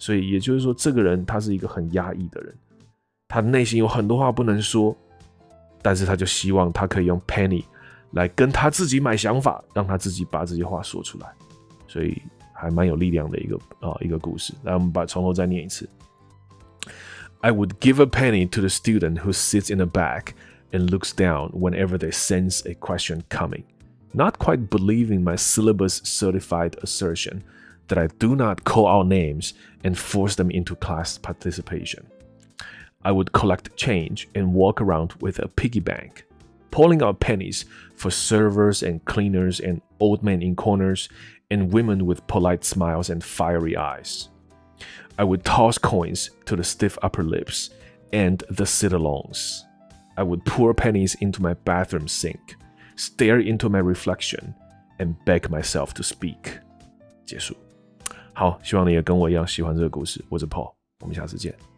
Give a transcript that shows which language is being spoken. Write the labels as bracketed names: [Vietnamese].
[Chinese] 所以也就是说，这个人他是一个很压抑的人，他内心有很多话不能说，但是他就希望他可以用 penny 来跟他自己买想法，让他自己把这些话说出来。所以还蛮有力量的一个故事。来，我们把从头再念一次。 [English] I would give a penny to the student who sits in the back and looks down whenever they sense a question coming, not quite believing my syllabus-certified assertion that I do not call out names and force them into class participation. I would collect change and walk around with a piggy bank. Pulling out pennies for servers and cleaners and old men in corners and women with polite smiles and fiery eyes. I would toss coins to the stiff upper lips and the sit-alongs. I would pour pennies into my bathroom sink, stare into my reflection, and beg myself to speak. [Chinese] 结束。好，希望你也跟我一样喜欢这个故事。我是 Paul， 我们下次见。